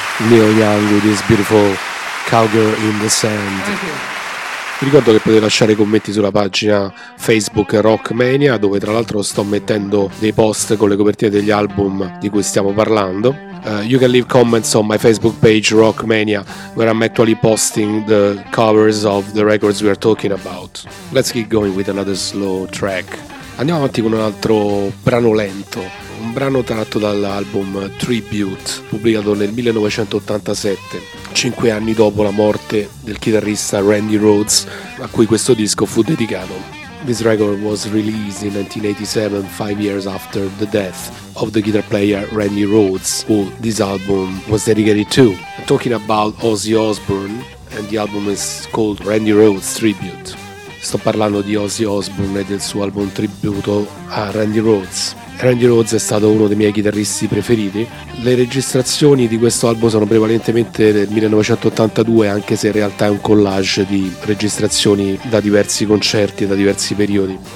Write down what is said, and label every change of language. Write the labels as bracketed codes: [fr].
[en] Neil Young with his beautiful Cowgirl in the Sand. [it] Vi ricordo che potete lasciare i commenti sulla pagina Facebook Rockmania, dove tra l'altro sto mettendo dei post con le copertine degli album di cui stiamo parlando. [en] You can leave comments on my Facebook page Rockmania, where I'm actually posting the covers of the records we are talking about. Let's keep going with another slow track. [it] Andiamo avanti con un altro brano lento, un brano tratto dall'album Tribute, pubblicato nel 1987, 5 anni dopo la morte del chitarrista Randy Rhoads, a cui questo disco fu dedicato. [en] This record was released in 1987, 5 years after the death of the guitar player Randy Rhoads, who this album was dedicated to. I'm talking about Ozzy Osbourne, and the album is called Randy Rhoads Tribute. [it] Sto parlando di Ozzy Osbourne e del suo album tributo a Randy Rhoads. Randy Rhoads è stato uno dei miei chitarristi preferiti. Le registrazioni di questo album sono prevalentemente del 1982, anche se in realtà è un collage di registrazioni da diversi concerti e da diversi periodi.